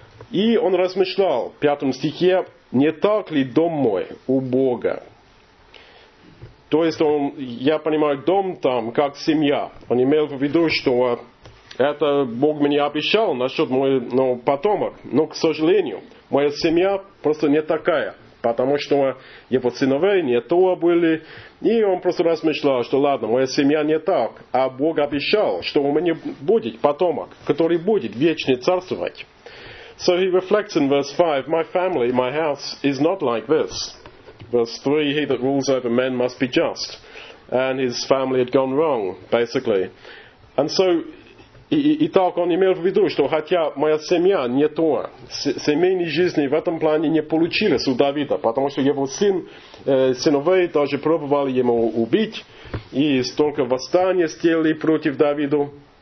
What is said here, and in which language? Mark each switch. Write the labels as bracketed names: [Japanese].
[Russian] И он размышлял, 5 стихе, не так ли дом мой у Бога? То есть, я понимаю, дом там как семья. Он имел в виду, что это Бог мне обещал насчет моего потомок. Но, к сожалению, моя семья просто не такая. Потому что его сыновей не то были. И он просто размышлял, что ладно, моя семья не так. А Бог обещал, что у меня будет потомок, который будет вечно царствовать. [English] So he reflects in verse 5, my family, my house, is not like this. Verse 3, he that rules over men must be just. And his family had gone wrong, basically. And so, [Russian] итак, он имел в виду, что хотя моя семья не то, семейной жизни в этом плане не получилось у Давида, потому что его сыновей тоже пробовали ему убить, и столько восстания сделали против Давида.